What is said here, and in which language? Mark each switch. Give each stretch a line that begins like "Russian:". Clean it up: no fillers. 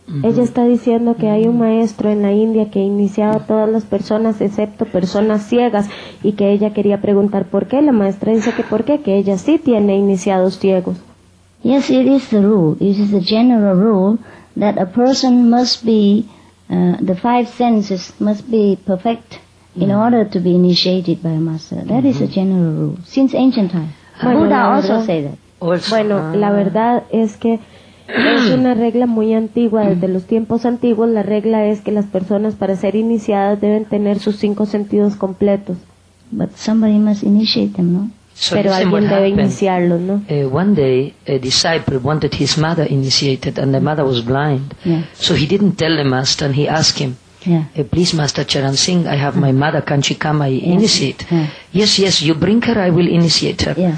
Spanish: Ella está diciendo que hay un maestro en la India que iniciaba a todas las personas excepto personas ciegas y que ella quería preguntar por qué. La maestra dice que por qué, que ella sí tiene iniciados ciegos.
English: Yes, it is the rule. It is the general rule that a person must be, the five senses must be perfect in order to be initiated by a master. That is the general rule, since ancient times.
Spanish: Bueno,
English: Buddha also said that.
Spanish: Bueno, la verdad es que es una regla muy antigua, desde los tiempos antiguos la regla es que las personas para ser iniciadas deben tener sus cinco sentidos completos.
English: But somebody must initiate them, no?
Spanish: So pero alguien debe iniciarlos, ¿no?
English: One day a disciple wanted his mother initiated and the mother was blind. Yeah. So he didn't tell the master and he asked him, please Master Chögyam Sin, I have my mother, can she come, I initiate? Yeah. Yes, yes, you bring her, I will initiate her.